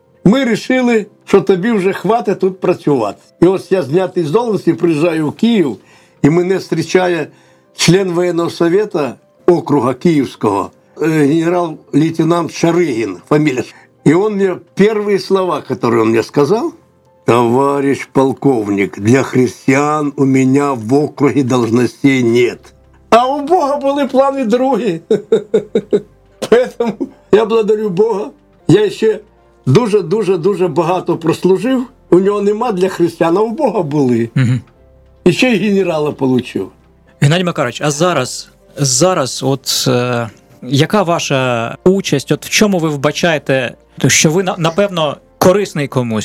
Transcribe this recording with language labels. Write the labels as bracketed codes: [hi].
[uk] Ми вирішили, що тобі вже хватить тут працювати. І ось я знятий з должності, приїжджаю в Київ, і мене зустрічає член воєнного совєта округа київського, генерал-лейтенант Шаригін, фамілія. І он мені перші слова, які він мені сказав: товариш полковник, для християн у мене в округі [ru] должностей нет. [uk] А у Бога були плани другі. [ru] Поэтому я благодарю Бога. [uk] Я ще дуже-дуже-дуже багато прослужив. У нього нема для християн, а у Бога були. І ще й генерала получив. Геннадій Макарович, а зараз от яка ваша участь? От в чому ви вбачаєте, що ви, напевно, корисний комусь?